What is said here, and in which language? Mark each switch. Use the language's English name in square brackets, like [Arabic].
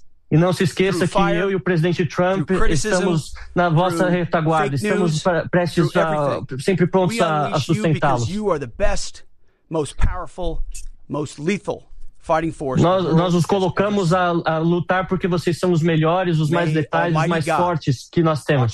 [Portuguese] E não se esqueça que eu e o presidente Trump estamos na vossa retaguarda. Estamos prestes a sempre prontos a sustentá-los. [English] You are the best, most powerful, most lethal fighting force. [Portuguese] Nós nos colocamos a lutar porque vocês são os melhores, os mais detalhes, os mais fortes que nós temos.